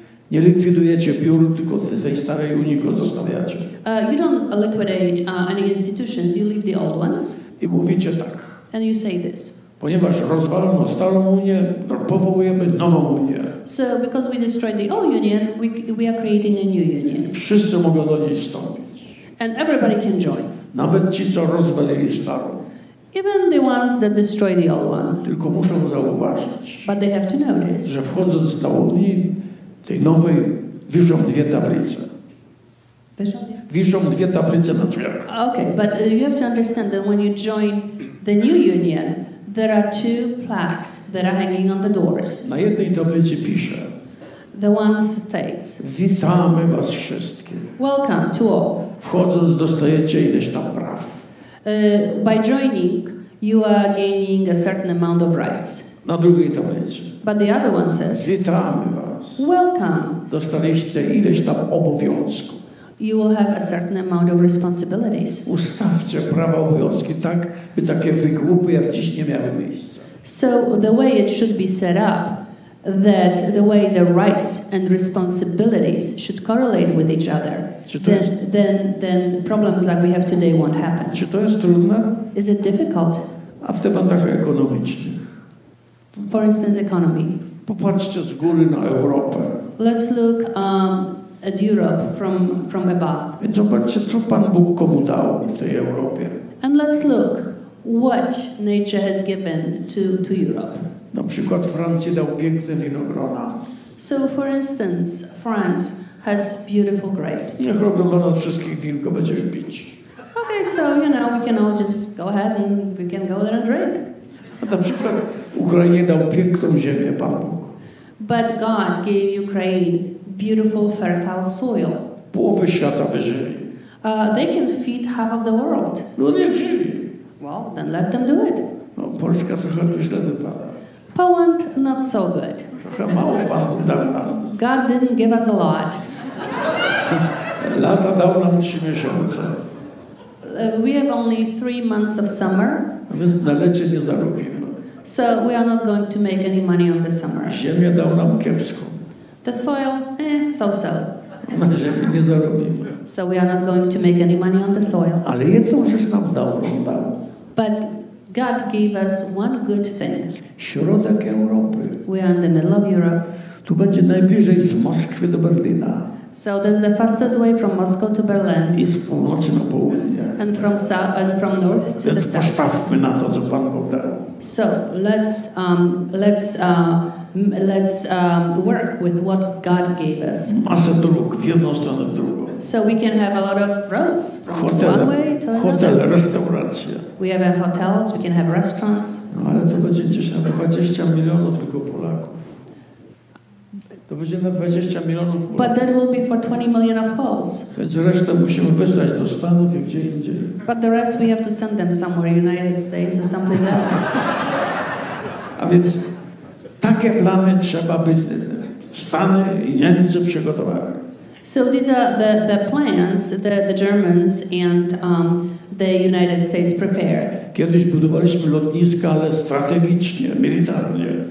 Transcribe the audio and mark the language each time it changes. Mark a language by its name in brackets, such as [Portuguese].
[Polish] Nie likwidujecie biur, tylko tej starej Unii go zostawiacie. [English] You don't liquidate any institutions, you leave the old ones. [Polish] I mówicie tak. [English] And you say this. [Polish] Ponieważ rozwalono starą Unię, powołujemy nową Unię. [English] So because we destroyed the old Union, we are creating a new Union. [Polish] Wszyscy mogą do niej wstąpić. [English] And everybody can join. [Polish] Nawet ci, co rozwalili starą. [English] Even the ones that destroy the old one. [Polish] Tylko muszą zauważyć. [English] But they have to notice. [Polish] Że wchodząc do starą Unię, tej nowej, wiszą dwie tablice. Wiszą dwie tablice na drzwiach. [English] Okay, but you have to understand that when you join the new Union, there are two plaques that are hanging on the doors. [Polish] Na jednej tablicy pisze. [English] The one states. [Polish] Witamy was wszystkie. [English] Welcome to all. [Polish] Wchodząc dostajecie ileś tam praw. [English] By joining, you are gaining a certain amount of rights. [Polish] Na drugiej tablicy. [English] But the other one says. [Polish] Witamy was. [English] Welcome. [Polish] Dostaliście ileś tam obowiązków. [English] You will have a certain amount of responsibilities. [Polish] Ustawcie prawa obowiązki tak, by takie wygłupy jak dziś nie miały miejsca. [English] So the way it should be set up, that the way the rights and responsibilities should correlate with each other, then problems like we have today won't happen. [Polish] Czy to jest trudne? [English] Is it difficult? [Polish] A w tematach ekonomicznych. [English] For instance, economy. [Polish] Popatrzcie z góry na Europę. [English] Let's look at Europe from above. [Polish] Zobaczcie, co Pan Bóg komu dał w tej Europie. [English] And let's look what nature has given to Europe. [Polish] Na przykład Francji dał piękne winogrona. [English] So for instance, France has beautiful grapes. [Polish] Niech robią dla nas wszystkich winko, będziemy pić. [English] Okay, so you know, we can all just go ahead and we can go there and drink. [Polish] A na przykład Ukrainie dał piękną ziemię Pan Bóg. [English] But God gave Ukraine beautiful, fertile soil. [Polish] Połowy świata wyżywi. [English] They can feed half of the world. [Polish] No niech żyje. [English] Well, then let them do it. [Polish] No, Polska trochę tu źle wypada. [English] Poland, not so good. [Polish] Trochę mało Pan Bóg dał nam. [English] God didn't give us a lot. [Polish] Lata dał nam 3 miesiące. [English] We have only 3 months of summer. [Polish] A więc na lecie nie zarobimy. [English] So we are not going to make any money on the summer. [Polish] Ziemia dał nam kiepską. [English] The soil, so-so. [Polish] Na ziemi nie zarobimy. [English] So we are not going to make any money on the soil. [Polish] Ale jedną rzecz nam dał, on dał. [English] But God gave us one good thing. [Polish] Środek Europy. [English] We are in the middle of Europe. [Polish] Tu będzie najbliżej z Moskwy do Berlina. [English] So that's the fastest way from Moscow to Berlin. [Polish] I z północy na południe. [English] And from south and from north to [Polish] więc [English] the south. [Polish] Postawmy na to, co Pan Bóg dał. [English] So let's work with what God gave us. [Polish] Masę dróg, w jedną stronę, w drugą. [English] So we can have a lot of roads from [Polish] hotele, [English] one way to another. [Polish] Hotele, restauracje. [English] We have hotels, we can have restaurants. [Polish] No, ale to będzie gdzieś na 20 milionów tylko Polaków. To będzie na 20 milionów Polaków. [English] But that will be for 20 million of Poles. [Polish] Więc resztę musimy wysłać do Stanów i gdzie indziej. [English] But the rest we have to send them somewhere, United States or someplace else. [Polish] A więc takie plany trzeba by Stany i Niemcy przygotowały. [English] So these are the plans that the Germans and the United States prepared. [Polish] Kiedyś budowaliśmy lotniska, ale strategicznie, militarnie.